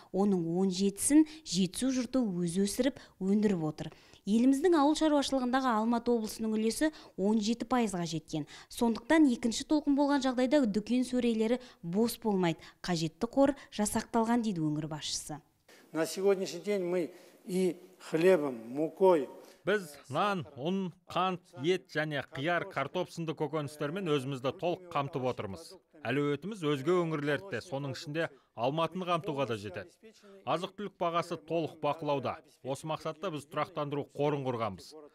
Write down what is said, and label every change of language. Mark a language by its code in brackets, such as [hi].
[kk] Оның 17-сін жетсу жұрты өз өсіріп, өндіріп отыр. Еліміздің ауыл шаруашылығындағы Алматы облысының үлесі 17%-ға жеткен. Сондықтан екінші толқын болған жағдайда дүкен сөрелері бос болмайды. Қажетті қор жасақталған, дейді өңір басшысы. [ru] На сегодняшний день мы и хлебом, мукой. [kk] Біз нан, ұн, қант, ет және қияр, картоп сынды көкөністермен өзімізді толық қамтып отырмыз. Әлеуетіміз өзге өңірлерде, соның ішінде Алматыны қамтуға да жетеді. Азық-түлік бағасы толық бақылауда. Осы мақсатта біз тұрақтандыру қорын құрғанбыз.